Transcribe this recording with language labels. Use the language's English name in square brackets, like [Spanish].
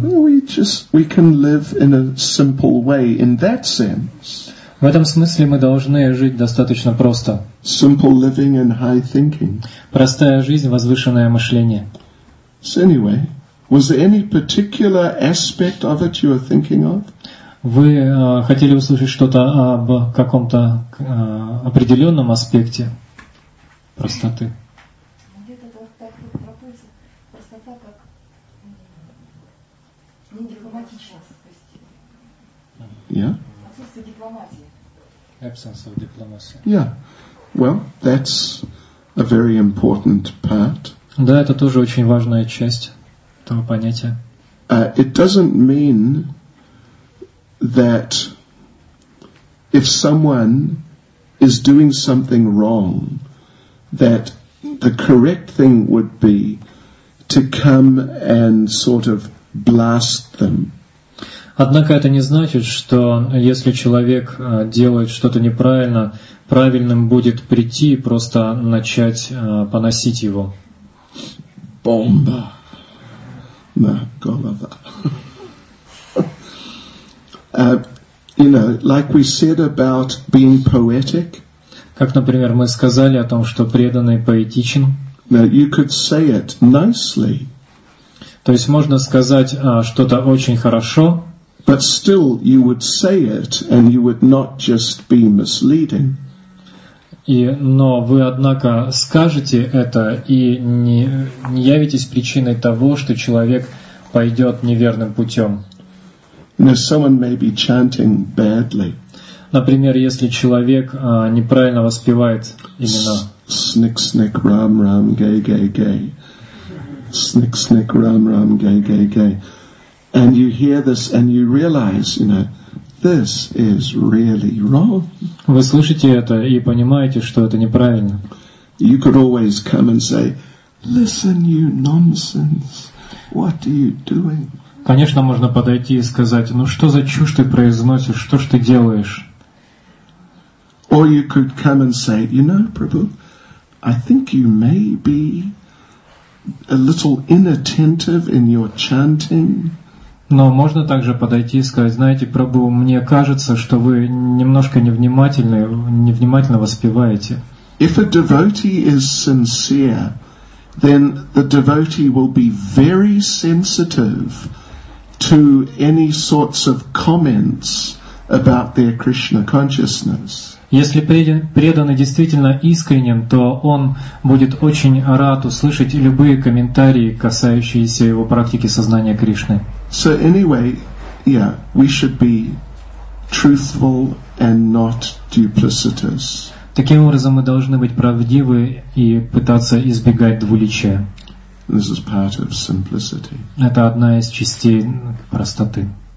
[English] We can live in a simple way in that sense. [Russian] В этом смысле мы должны жить достаточно просто. [English] Simple living and high thinking. [Russian] Простая жизнь, возвышенное мышление. [English] So anyway, was there any particular aspect of it you were thinking of? [Russian] Вы хотели услышать что-то об каком-то определенном аспекте простоты? Где-то так пропустится простота, как не дипломатичность, то есть отсутствие дипломатии. [English] Absence of diplomacy. Yeah. Well, that's a very important part. [Russian] Да, это тоже очень важная часть этого понятия. [English] It doesn't mean that if someone is doing something wrong, that the correct thing would be to come and sort of blast them. [Russian] Однако это не значит, что если человек делает что-то неправильно, правильным будет прийти и просто начать поносить его. Бомба на голову. [English] You know, like we said about being poetic. [Russian] Как, например, мы сказали о том, что преданный поэтичен. [English] Now you could say it nicely. [Russian] То есть можно сказать что-то очень хорошо. [English] But still, you would say it, and you would not just be misleading. [Russian] Но вы однако скажете это и не явитесь причиной того, что человек пойдет неверным путем. [English] Now someone may be chanting badly. [Russian] Например, если человек неправильно воспевает имена. Snick snick ram ram gay gay gay. Snick snick ram ram gay gay gay. [English] And you hear this and you realize, you know, this is really wrong. [Russian] Вы слышите это и понимаете, что это неправильно. [English] You could always come and say, "Listen, you nonsense. What are you doing?" [Russian] Конечно, можно подойти и сказать: "Ну что за чушь ты произносишь? Что ж ты делаешь?" [English] Or you could come and say, "You know, Prabhu, I think you may be a little inattentive in your chanting." [Russian] Но можно также подойти и сказать: "Знаете, Прабху, мне кажется, что вы немножко невнимательно воспеваете." [English] If a devotee is sincere, then the devotee will be very sensitive to any sorts of comments about their Krishna consciousness. [Russian] Если преданный действительно искренен, то он будет очень рад услышать любые комментарии, касающиеся его практики сознания Кришны. [English] So anyway, yeah, we should be truthful and not duplicitous. [Russian] Таким образом, мы должны быть правдивы и пытаться избегать двуличия. [English] This is part of simplicity. [Russian] Это одна из частей простоты.